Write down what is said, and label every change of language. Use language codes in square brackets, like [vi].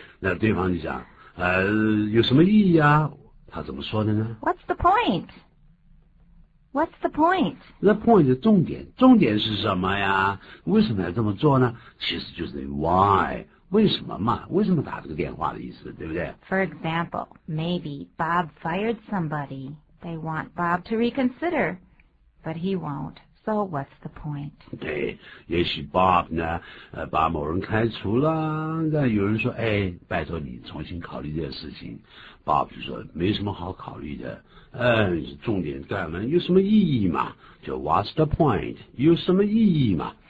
[zh] 那对方就讲，有什么意义啊？他怎么说的呢 [en] ？What's the point? What's the point? The point [zh] 是重点，重点是什么呀？为什么要这么做呢？其实就是 why， 为什么嘛？为什么打这个电话的意思，对不对 [en] ？For example, maybe Bob fired somebody. They want Bob to reconsider, but he won't. So what's the point? [zh] 对，也许 Bob 呢，把某人开除了，那有人说，哎，拜托你重新考虑这个事情。 Bob 就说，没什么好考虑的，重点干嘛？有什么意义嘛？就 [en] What's the point? [zh] 有什么意义嘛？